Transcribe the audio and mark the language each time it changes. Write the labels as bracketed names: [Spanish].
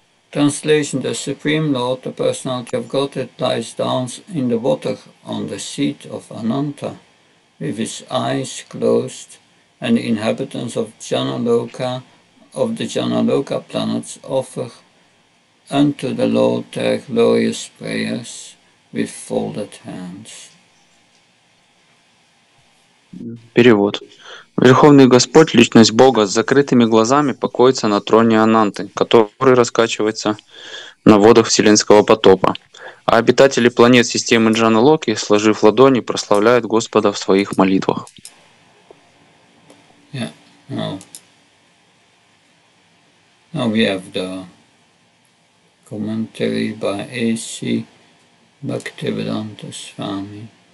[English] Translation: the Supreme Lord, the Personality of Godhead, lies down in the water on the seat of Ananta, with his eyes closed, and the inhabitants of Janaloka, of the Janaloka planets, offer unto the Lord their glorious prayers with folded hands. [Russian] Перевод. Верховный Господь, Личность Бога, с закрытыми глазами покоится на троне Ананты, который раскачивается на водах Вселенского потопа. А обитатели планет системы Джаналоки, сложив ладони, прославляют Господа в своих молитвах. Yeah. [English] Now we have the commentary by A.C. Bhaktivedanta Swami.